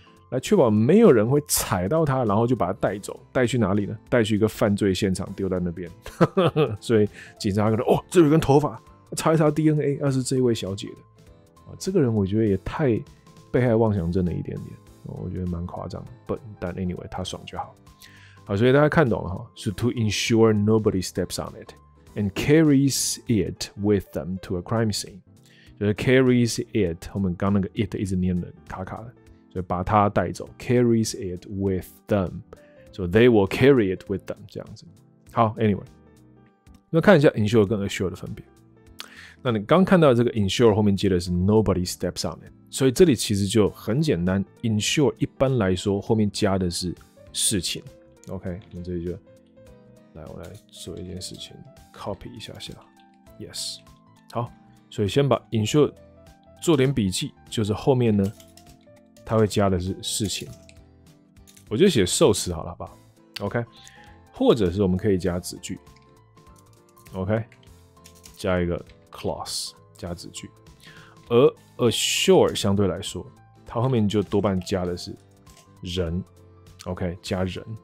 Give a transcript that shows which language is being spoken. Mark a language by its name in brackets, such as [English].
[Chinese] 来确保没有人会踩到它，然后就把它带走，带去哪里呢？带去一个犯罪现场，丢在那边。所以警察可能哦，这有根头发，查一查 DNA， 那是这位小姐的。啊，这个人我觉得也太被害妄想症了一点点，我觉得蛮夸张。但 anyway， 他爽就好。好，所以大家看懂了哈，是 [English] to ensure nobody steps on it and carries it with them to a crime scene， [Chinese] 就是 [English] carries it， [Chinese] 后面刚那个 it 一直念的卡卡的，所以把它带走 ， [English] carries it with them， so they will carry it with them [Chinese] 这样子。好 ，anyway， 那看一下 ensure 跟 assure 的分别。那你刚看到这个 ensure 后面接的是 [English] nobody steps on it， [Chinese] 所以这里其实就很简单 ，ensure 一般来说后面加的是事情。 OK， 那这里就来，我来做一件事情 ，copy 一下下 ，Yes， 好，所以先把 ensure 做点笔记，就是后面呢，它会加的是事情，我就写受词好了，好不好 ？OK， 或者是我们可以加子句 ，OK， 加一个 clause 加子句，而 assure 相对来说，它后面就多半加的是人 ，OK， 加人。